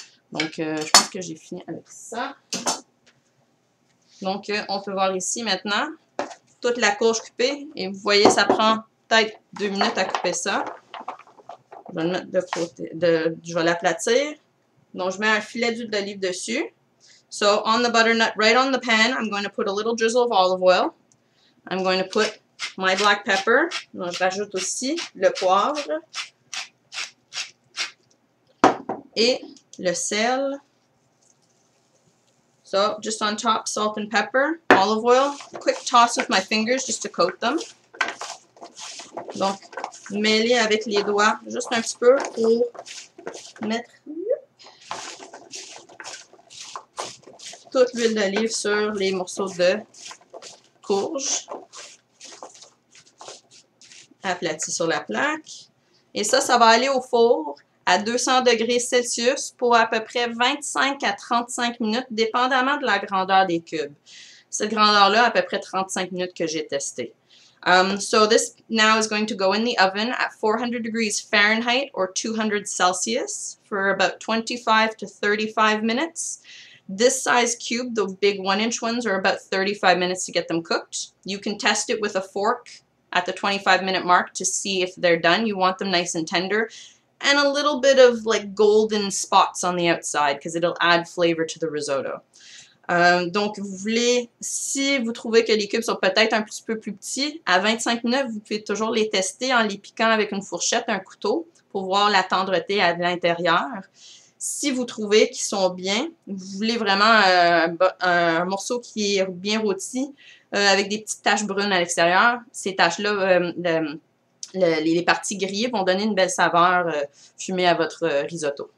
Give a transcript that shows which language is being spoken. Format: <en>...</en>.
<fr>Donc, je pense que j'ai fini avec ça. Donc, on peut voir ici maintenant toute la courge coupée. Et vous voyez, ça prend peut-être 2 minutes à couper ça. Je vais le mettre de côté. Je vais l'aplatir. Donc, je mets un filet d'huile d'olive dessus.</fr> <en>So, on the butternut, right on the pan, I'm going to put a little drizzle of olive oil. I'm going to put my black pepper.</en> <fr>Donc, je rajoute aussi le poivre. Et le sel.</fr> <en>So, just on top, salt and pepper, olive oil. Quick toss with my fingers just to coat them.</en> <fr>Donc, mêler avec les doigts juste un petit peu pour mettre toute l'huile d'olive sur les morceaux de courge. Aplati sur la plaque. Et ça, ça va aller au four à 200 degrés Celsius pour à peu près 25 à 35 minutes, dépendamment de la grandeur des cubes. Cette grandeur-là, à peu près 35 minutes que j'ai testé.</fr> <en>So this now is going to go in the oven at 400 degrees Fahrenheit or 200 Celsius for about 25 to 35 minutes. This size cube, the big 1-inch ones, are about 35 minutes to get them cooked. You can test it with a fork at the 25-minute mark to see if they're done. You want them nice and tender and a little bit of like golden spots on the outside because it'll add flavor to the risotto.</en> <fr>Donc, vous voulez, si vous trouvez que les cubes sont peut-être un petit peu plus petits, à 25 minutes, vous pouvez toujours les tester en les piquant avec une fourchette, un couteau, pour voir la tendreté à l'intérieur. Si vous trouvez qu'ils sont bien, vous voulez vraiment un morceau qui est bien rôti, avec des petites taches brunes à l'extérieur, ces taches-là, les parties grillées vont donner une belle saveur fumée à votre risotto.</fr>